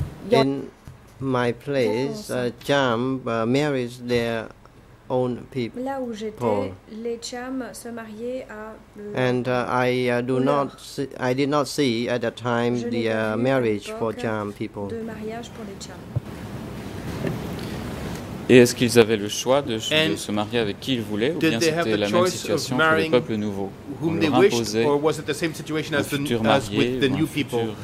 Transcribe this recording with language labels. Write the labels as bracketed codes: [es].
[en] In my place, cham marries their own people. [fr] Là où j'étais, les cham se mariaient à [en] and I did not see at that time the marriage for cham people. [fr] De mariage pour les cham. Et est-ce qu'ils avaient le choix de se marier avec qui ils voulaient, ou bien c'était la même situation pour le peuple nouveau? On leur imposait, [en] or was it the same situation as with the new people?